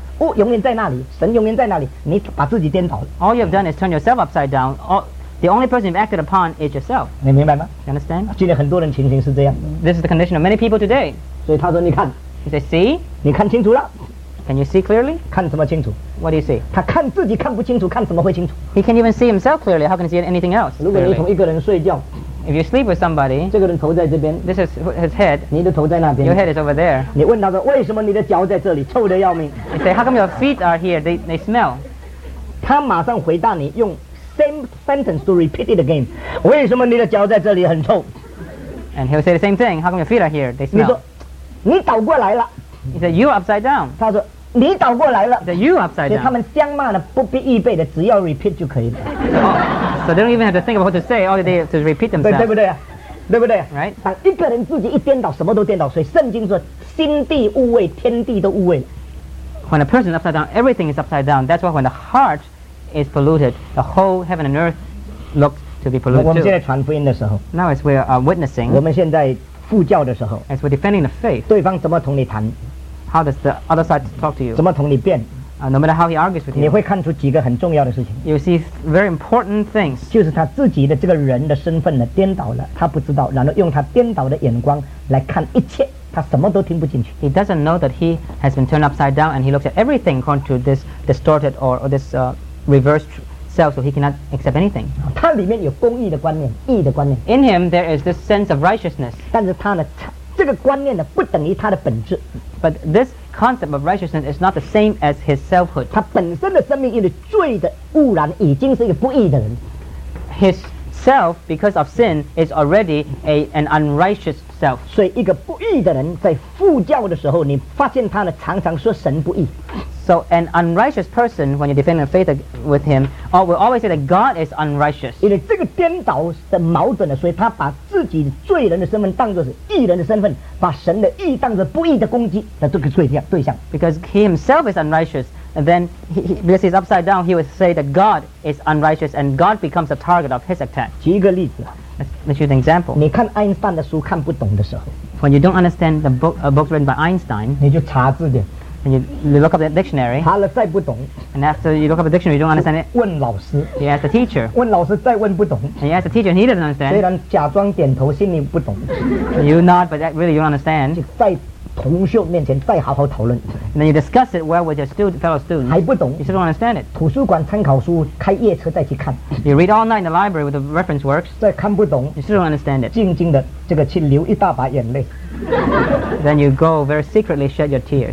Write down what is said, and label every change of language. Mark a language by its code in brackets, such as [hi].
[zh] 所以你说，你看，神在我下面，物在我上面。你是弄自己，你不会弄神，也不会弄物。物永远在那里，神永远在那里，你把自己颠倒了。 [en] All you've done is turn yourself upside down. The only person you've acted upon is yourself. [zh] 你明白吗? [en] You understand? [zh] 今天很多人情形是这样。 [en] This is the condition of many people today. [zh] 所以他说，你看。 [en] He says, see? [zh] 你看清楚了。 [en] Can you see clearly? [zh] 看什么清楚? [en] What do you see? [zh] 他看自己看不清楚, 看怎么会清楚? [en] He can't even see himself clearly. How can he see anything else? [zh] 如果你同一个人睡觉, [en] if you sleep with somebody, [zh] 这个人头在这边, [en] this is his head. [zh] 你的头在那边, [en] your head is over there. [zh] 你问他说, 为什么你的脚在这里, 臭得要命? [en] You say, how come your feet are here? They smell. [zh] 他马上回答你, 用 [en] same sentence to repeat it again. [zh] 为什么你的脚在这里, 很臭? [en] And he'll say the same thing. How come your feet are here? They smell. [zh] 你说, 你倒过来了。 [en] He said, you're upside down. [zh] 他说, 你倒过来了。 [en] He said, you're upside down. [zh] 他们相骂的, 不必预备的, 只要repeat就可以了。 [en] So they don't even have to think about what to say, all they have to repeat themselves. [zh] 对不对?对不对? [en] Right? [zh] 当一个人自己一颠倒, 什么都颠倒, 所以圣经说, 心地误位, 天地都误位。 [en] When a person is upside down, everything is upside down. That's why when the heart is polluted, the whole heaven and earth looks to be polluted. [zh] 我们现在传福音的时候, [en] now as we are witnessing, [zh] 我们现在, 复教的时候, [en] as we're defending the faith, [zh] 对方怎么同你谈, [en] how does the other side talk to you? [zh] 怎么同你辩, [en] no matter how he argues with you, [zh] 你会看出几个很重要的事情, [en] you see very important things. [zh] 就是他自己的这个人的身份呢, 他不知道, 然后用他颠倒的眼光来看一切。他什么都听不进去。 [en] He doesn't know that he has been turned upside down, and he looks at everything according to this distorted or this reversed self, so he cannot accept anything. [zh] 他里面有公义的观念，义的观念。 [en] In him, there is this sense of righteousness. [zh] 但是他呢，这个观念呢，不等于他的本质。 [en] But this concept of righteousness is not the same as his selfhood. [zh] 他本身的生命因为罪的污染，已经是一个不义的人。 [en] His self, because of sin, is already an unrighteous self. [zh] 所以一个不义的人在附教的时候，你发现他呢常常说神不义。 [en] So an unrighteous person, when you defend the faith with him, will always say that God is unrighteous. [zh] 因为这个颠倒的矛盾呢，所以他把自己罪人的身份当作是义人的身份，把神的义当作不义的攻击的这个对象。 [en] Because he himself is unrighteous. And then, because he's upside down, he would say that God is unrighteous and God becomes a target of his attack. [zh] 举一个例子 [en] Let's use an example. [zh] 你看爱因斯坦的书看不懂的时候 [en] When you don't understand the books written by Einstein, [zh] 你就查字典 [en] And you look up the dictionary, [zh] 查了再不懂 [en] And after you look up the dictionary, you don't understand it. [zh] 问老师 [en] You ask the teacher. [zh] 问老师再问不懂 [en] And you ask the teacher and he doesn't understand. [zh] 虽然假装点头心里不懂 [en] You nod, but that really you don't understand. [zh] 同学面前再好好讨论 [en] Then you discuss it well with your fellow students [zh] 还不懂 [en] You still don't understand it [zh] 图书馆参考书开夜车再去看 [en] You read all night in the library with the reference works [zh] 再看不懂 [en] You still don't understand it [zh] 静静的这个去流一大把眼泪 [en] Then you go very secretly shed your tears